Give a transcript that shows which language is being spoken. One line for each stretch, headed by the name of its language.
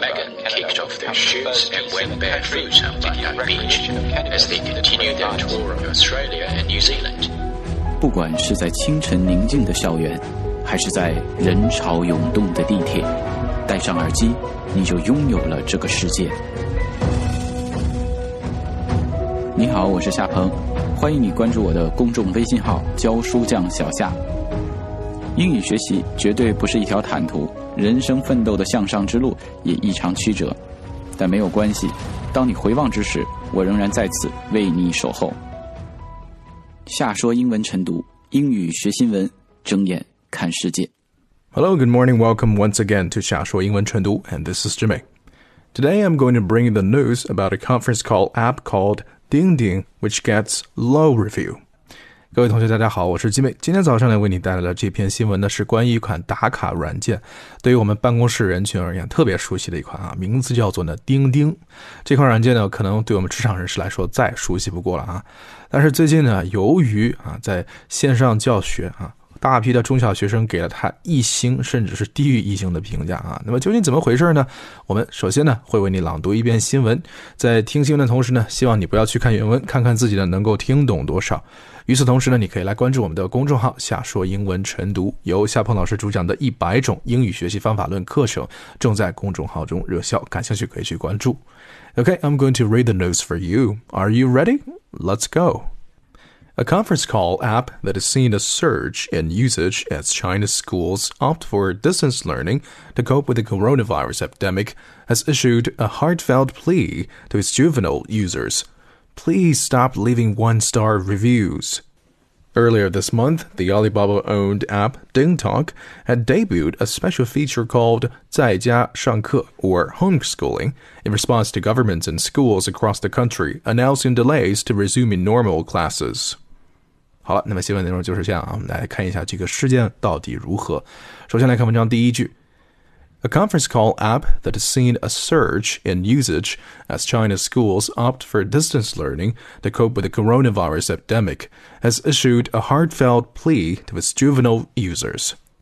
English: Megan kicked off their shoots and went barefoot on Bondi Beach as they continued their tour of Australia and New Zealand.
Chinese: 不管是在清晨宁静的校园，还是在人潮涌动的地铁，戴上耳机，你就拥有了这个世界。你好，我是夏鹏，欢迎你关注我的公众微信号教书匠小夏。英语学习绝对不是一条坦途，人生奋斗的向上之路也异常曲折，但没有关系，当你回望之时，我仍然在此为你守候。夏说英文晨读，英语学新闻，睁眼看世界。
English: Hello, good morning, welcome once again to 夏说英文晨读 and this is Jimmy. Today I'm going to bring you the news about a conference call app calledDingDing, which gets low review.
Chinese: 各位同学大家好，我是吉美。今天早上来为你带来的这篇新闻呢，是关于一款打卡软件，对于我们办公室人群而言特别熟悉的一款啊，名字叫做呢丁丁。这款软件呢，可能对我们职场人士来说再熟悉不过了啊。但是最近呢，由于啊在线上教学啊，大批的中小学生给了它一星甚至是低于一星的评价啊。那么究竟怎么回事呢？我们首先呢会为你朗读一遍新闻，在听新闻的同时呢，希望你不要去看原文，看看自己呢能够听懂多少。与此同时呢，你可以来关注我们的公众号夏说英文晨读，由夏鹏老师主讲的100种英语学习方法论课程正在公众号中热销，感兴趣可以去关注。
English: OK, I'm going to read the news for you. Are you ready? Let's goA conference call app that has seen a surge in usage as China's schools opt for distance learning to cope with the coronavirus epidemic has issued a heartfelt plea to its juvenile users. Please stop leaving one-star reviews. Earlier this month, the Alibaba-owned app DingTalk had debuted a special feature called 在家上课 or homeschooling in response to governments and schools across the country announcing delays to resuming normal classes.
Chinese: 好了，那么新闻内容就是这样啊，我们来看一下这个事件到底如何。首先来看文章第一句。
English: A conference call app that has seen a surge in usage as China's schools opt for distance learning to cope with the coronavirus epidemic has issued a heartfelt plea to its juvenile users.